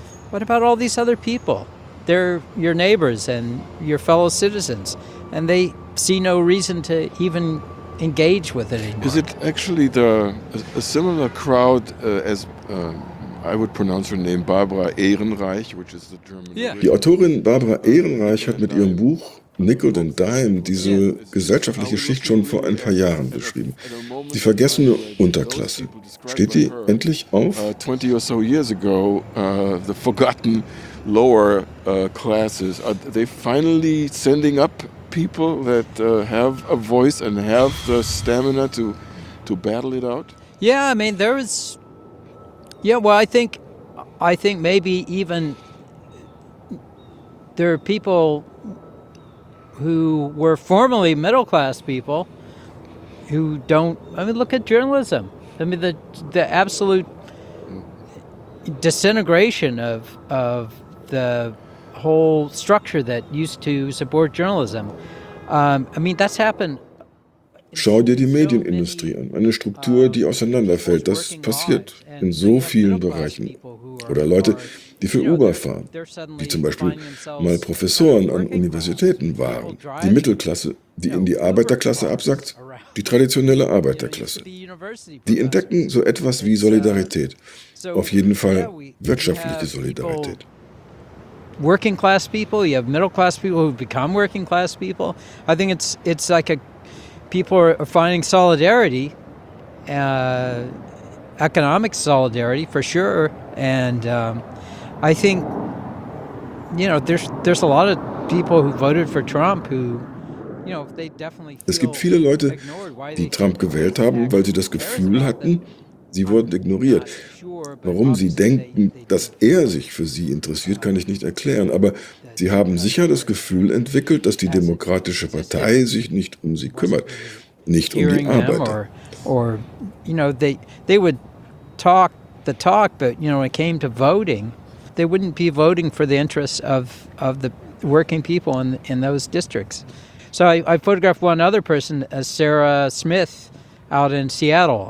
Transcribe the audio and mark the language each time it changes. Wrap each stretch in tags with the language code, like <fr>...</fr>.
<en>But what about all these other people? They're your neighbors and your fellow citizens, and they see no reason to even engage with it anymore. Is it actually a similar crowd as I would pronounce her name Barbara Ehrenreich, which is the German. Yeah.</en> <de>Die Autorin Barbara Ehrenreich hat mit ihrem Buch Nickel and Dime diese gesellschaftliche Schicht schon vor ein paar Jahren beschrieben. Die vergessene Unterklasse. Steht die endlich auf?</de> <en>20 or so years ago, the forgotten lower classes, are they finally sending up people that have a voice and have the stamina to battle it out? Yeah, I mean, there is. Yeah, well, I think maybe even there are people who were formerly middle class people who don't. I mean, look at journalism. I mean, the absolute disintegration of the whole structure that used to support journalism. I mean, that's happened.</en> <de>Schau dir die Medienindustrie an, eine Struktur, die auseinanderfällt. Das passiert in so vielen Bereichen. Oder Leute, die für Uber fahren, die zum Beispiel mal Professoren an Universitäten waren. Die Mittelklasse, die in die Arbeiterklasse absackt, die traditionelle Arbeiterklasse. Die entdecken so etwas wie Solidarität. Auf jeden Fall wirtschaftliche Solidarität.</de> <en>Working class people, you have middle class people who become working class people. I think it's like people are finding solidarity economic solidarity for sure, and I think, you know, there's a lot of people who voted for Trump who, you know, they definitely feel.</en> <de>Es gibt viele Leute, die Trump gewählt haben, weil sie das Gefühl hatten, sie wurden ignoriert. Warum sie denken, dass er sich für sie interessiert, kann ich nicht erklären. Aber sie haben sicher das Gefühl entwickelt, dass die Demokratische Partei sich nicht um sie kümmert, nicht um die Arbeiter.</de> <en>Or, you know, they would talk the talk, but, you know, when it came to voting, they wouldn't be voting for the interests of the working people in those districts. So I photographed one other person, Sarah Smith, out in Seattle.</en>